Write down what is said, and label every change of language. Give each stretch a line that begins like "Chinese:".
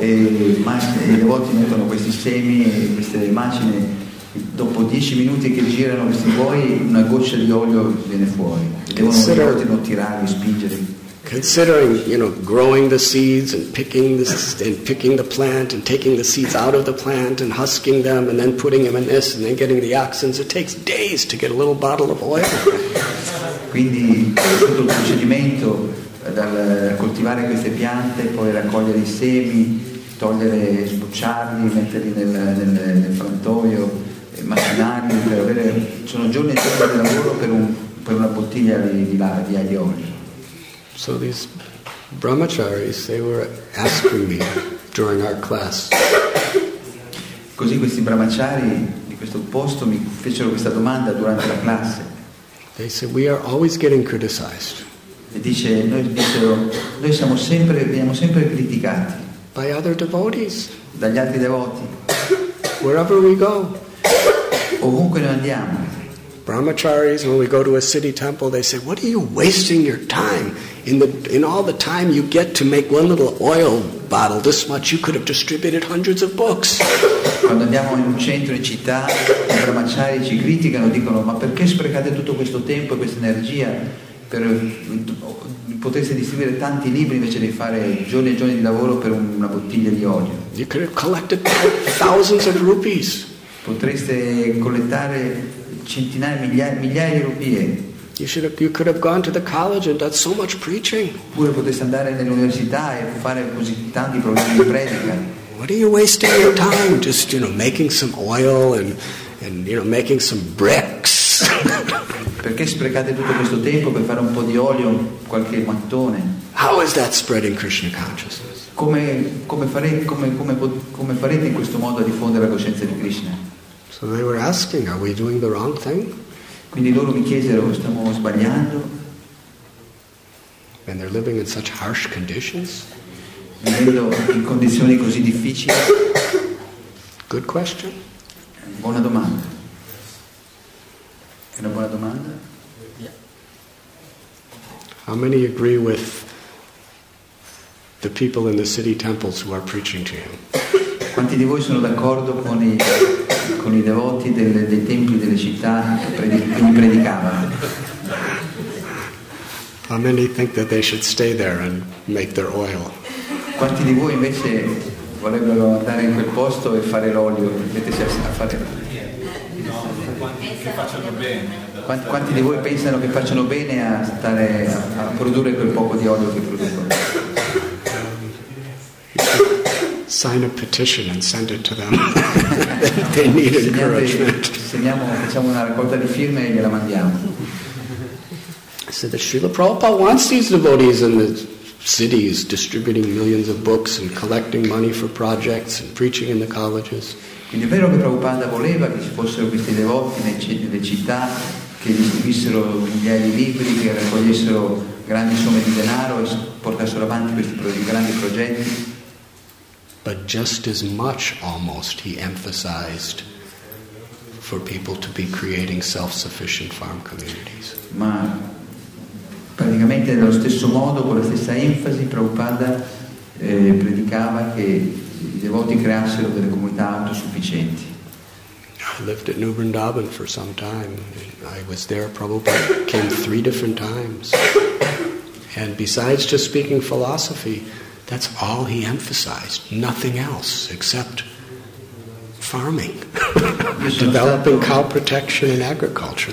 Italian: E i devoti mettono questi semi e queste immagini. Dopo 10 minuti che girano questi buoi, una goccia di olio viene fuori. Devono tirare, spingere.
English: Considering, you know, growing the seeds and picking the plant and taking the seeds out of the plant and husking them and then putting them in this and then getting the oxen, it takes days to get a little bottle of oil.
Italian: Quindi tutto il procedimento dal coltivare queste piante, poi raccogliere i semi, togliere, sbucciarli, metterli nel frantoio. Macinarli per avere, sono giorni e giorni di lavoro per una bottiglia di olio.
English: So these brahmacharis, they were asking me during our class.
Italian: Così questi brahmachari di questo posto mi fecero questa domanda durante la classe.
English: They said, we are always getting criticized.
Italian: E dice, noi siamo sempre, veniamo sempre criticati.
English: By other devotees.
Italian: Dagli altri devoti.
English: Wherever we go.
Italian: Ovunque noi andiamo.
English: Brahmacharis, when we go to a city temple, they say, what are you wasting your time? In all the time you get to make one little oil bottle this much, you could have distributed hundreds of books.
Italian: Quando andiamo in un centro in città, i brahmachari ci criticano, dicono, ma perché sprecate tutto questo tempo e questa energia per potreste distribuire tanti libri invece di fare giorni e giorni di lavoro per una bottiglia di olio?
English: You could have collected thousands of rupees.
Italian: Potreste collettare centinaia, migliaia di rupie.
English: You could have gone to the college and done so much preaching.
Italian: Pure potreste andare nell'università e fare così tanti programmi di predica.
English: What are you wasting your time? Just, you know, making some oil and you know, making some bricks.
Italian: Perché sprecate tutto questo tempo per fare un po' di olio, qualche mattone?
English: How is that spreading Krishna consciousness?
Italian: Come farete in questo modo a diffondere la coscienza di Krishna?
English: So they were asking, are we doing the wrong thing?
Italian: Quindi loro mi chiesero, stiamo sbagliando?
English: and they're living in such harsh conditions?
Italian: Vivendo in condizioni così difficili?
English: Good question.
Italian: Buona domanda. È una buona domanda?
English: Yeah. How many agree with the people in the city temples who are preaching to him?
Italian: Quanti di voi sono d'accordo con i devoti dei templi delle città che gli predicavano?
English: How many think that they should stay there and make their oil?
Italian: Quanti di voi invece vorrebbero andare in quel posto e fare l'olio, mettersi a fare? No, quanti che facciano bene. Quanti di voi pensano che facciano bene a stare a produrre quel poco di olio che producono?
English: Sign a petition and send it to them. They need encouragement.
Italian: Segniamo, facciamo una raccolta di firme e gliela mandiamo.
English: So the Srila Prabhupada wants these devotees in the cities distributing millions of books and collecting money for projects and preaching in the colleges.
Italian: Quindi è vero che Prabhupada voleva che ci fossero questi devoti nelle città che distribuissero migliaia di libri, che raccogliessero grandi somme di denaro e portassero avanti questi grandi progetti.
English: But just as much, almost, he emphasized for people to be creating self-sufficient farm communities.
Italian: Ma praticamente nello stesso modo, con la stessa enfasi, Prabhupada predicava che i devoti creassero delle comunità autosufficienti.
English: I lived at New Vrindavan for some time. I was there, Prabhupada came three different times. And besides just speaking philosophy, that's all he emphasized, nothing else except farming, developing cow protection and agriculture.